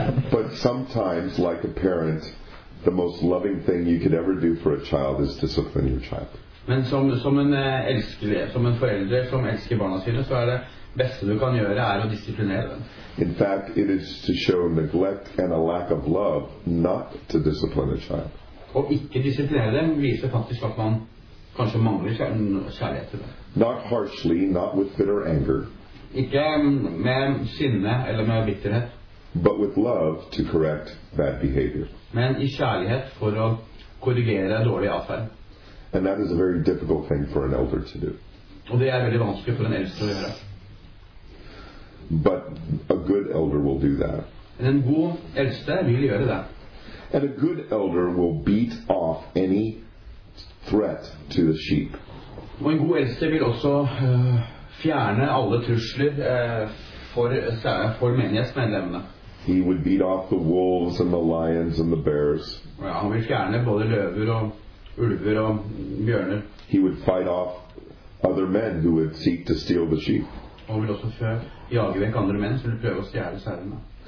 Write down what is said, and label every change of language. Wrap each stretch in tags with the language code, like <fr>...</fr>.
<en>But sometimes, like a parent, the most loving thing you could ever do for a child is discipline your child.</en> <no>Men som en forelder som elsker barna sine, så det beste du kan gjøre å disiplinere dem.</no> <en>In fact, it is to show neglect and a lack of love not to discipline a child.</en> <no>Og ikke disiplinere dem viser faktisk at man kanskje mangler kjærlighet til dem.</no> <en>Not harshly, not with bitter anger.</en> <no>Ikke med sinne eller med bitterhet.</no> <en>But with love to correct bad behavior.</en> <no>Men I kjærlighet for å korrigere dårlig atferd.</no> <en>And that is a very difficult thing for an elder to do.</en> <no>Og det veldig vanskelig for en eldste å gjøre.</no> <en>But a good elder will do that.</en> <no>En god eldste vil gjøre det.</no> <en>And a good elder will beat off any threat to the sheep.</en> <no>Og en god eldste vil også fjerne alle trusler for menighetsmedlemmene.</no> <en>He would beat off the wolves and the lions and the bears.</en> <no>Ja, han vil fjerne både løver og ulver og bjørner.</no> <en>He would fight off other men who would seek to steal the sheep.</en> <no>Han vil også jage vekk andre menn som vil prøve å stjele sauene.</no>